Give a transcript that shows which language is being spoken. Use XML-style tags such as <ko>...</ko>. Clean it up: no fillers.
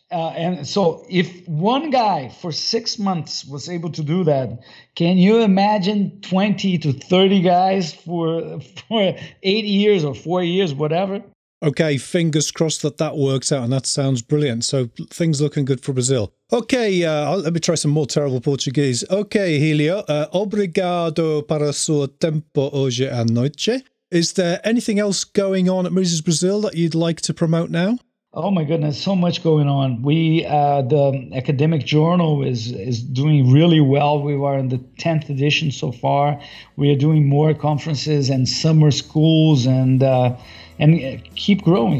<en>And so if one guy for 6 months was able to do that, can you imagine 20 to 30 guys for 8 years or 4 years, whatever? Okay, fingers crossed that works out, and that sounds brilliant. So things looking good for Brazil. Okay, let me try some more terrible Portuguese. Okay, Helio,</en> <pt>obrigado para o seu tempo hoje à noite.</pt> <en>Is there anything else going on at Mises Brazil that you'd like to promote now? Oh my goodness, so much going on. We, the academic journal is doing really well. We are in the 10th edition so far. We are doing more conferences and summer schools and keep growing.</en>